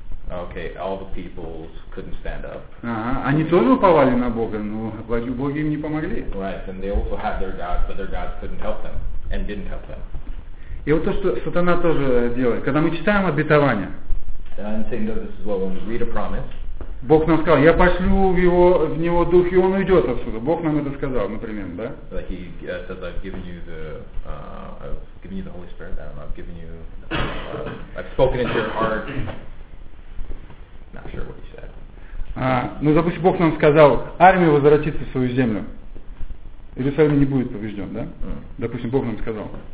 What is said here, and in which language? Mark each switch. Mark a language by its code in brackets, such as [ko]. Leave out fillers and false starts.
[en] Okay, all the peoples couldn't stand up. [ru] Они тоже уповали на Бога, но боги им не помогли. [en] Right, and they also had their gods, but their gods couldn't help them and didn't help them. [ru] И вот то, что сатана тоже делает, когда мы читаем обетование. [en] And saying that this is what when we read a promise. [ru] Бог нам сказал, я пошлю в него дух, и он уйдет отсюда. Бог нам это сказал, например, да? [en] Like he says, I've given you the Holy Spirit. I've spoken into your heart. Not sure what he said. [ru] Ну, допустим, Бог нам сказал, армия возвратится в свою землю. Иерусалим не будет поврежден, да? Допустим, Бог нам сказал.